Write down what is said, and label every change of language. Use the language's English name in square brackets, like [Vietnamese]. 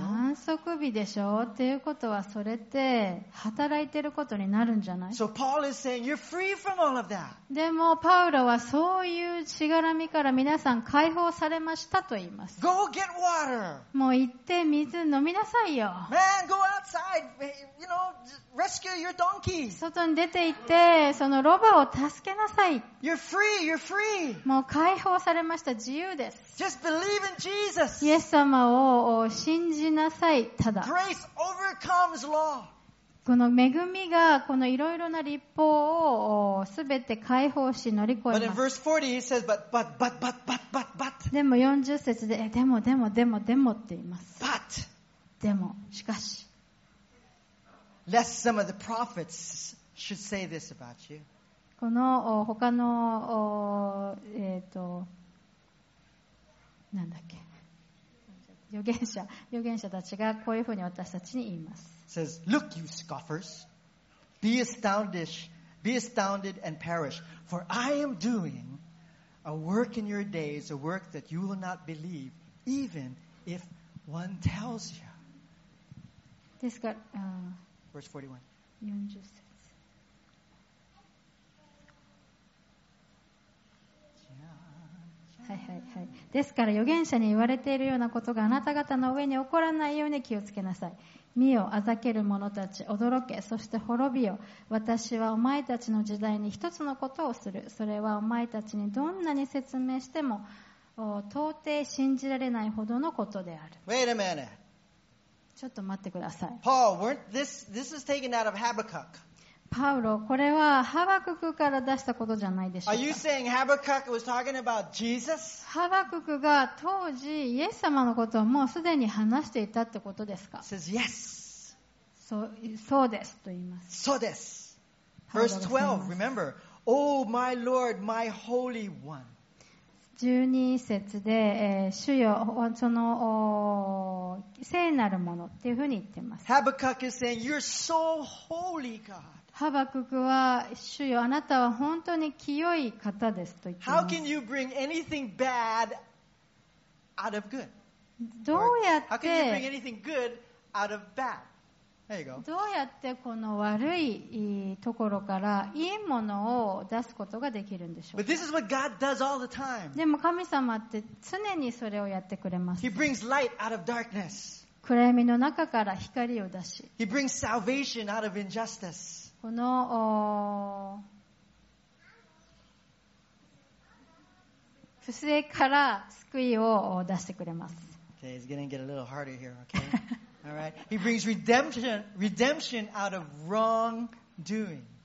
[Japanese] 安息日でしょっていうことはそれって働いてることになるんじゃない? [English] So Paul is saying, you're free from all of that. [Japanese] でもパウロはそういうしがらみから皆さん解放されましたと言います。 [English] Go get water. [Japanese] もう行って水飲みなさいよ。 [English] Man, go outside. You know, rescue your donkey. [Japanese] 外に出て行ってそのロバを助けなさい。 [English] You're free. You're free. [Japanese] もう解放されました。自由です。 [English] Just believe in Jesus. [Japanese] イエス様を信じなさい。ただ。 [English] Grace overcomes law. [Japanese] この恵みがこのいろいろな律法をすべて解放し乗り越えます。 [English] But in verse 40 he says, but. [Japanese] でも40節で、でもって言います。 [English] But. [Japanese] でも、しかし。 [English] Lest some of the prophets should say this about you. [Japanese] この他のなんだっけ預言者たちがこういうふうに私たちに言います。 [English] Says, look, you scoffers, be astounded and perish, for I am doing a work in your days, a work that you will not believe, even if one tells you. [Japanese] ですから、 [English] verse 41. [Japanese] 40はい。ですから預言者に言われているようなことがあなた方の上に起こらないように気をつけなさい。見よ、あざける者たち、驚け、そして滅びよ。私はお前たちの時代に一つのことをする。それはお前たちにどんなに説明しても到底信じられないほどのことである。 [English] Wait a minute. [Japanese] ちょっと待ってください。 [English] Paul, weren't this is taken out of Habakkuk. [Japanese] パウロ、これはハバククから出したことじゃないでしょうか。 [English] Are you saying Habakkuk was talking about Jesus? [Japanese] ハバククが当時イエス様のことをもうすでに話していたってことですか。 [English] Says yes. [Japanese] そうですと言います。そうです。 [English] Verse 12, remember, Oh my Lord, my Holy One. [Japanese] 12節で、主よ、その聖なるものっていうふうに言っています。 [English] Habakkuk is saying, You're so holy, God. [Japanese] ハバククは主よ、あなたは本当に清い方ですと言っています [English] How can you bring anything bad out of good? [Japanese] どうやって、 [English] How can you bring anything good out of bad? There you go. [Japanese] どうやってこの悪いところからいいものを出すことができるんでしょうか。 [English] But this is what God does all the time. [Japanese] でも神様って常にそれをやってくれます。 [English] He brings light out of darkness. [Japanese] 暗闇の中から光を出し、 [English] He brings salvation out of injustice. [Japanese] この不正から救いを出してくれます。 [English] Okay, it's getting a little harder here. Okay, all right. He brings redemption out of wrongdoing.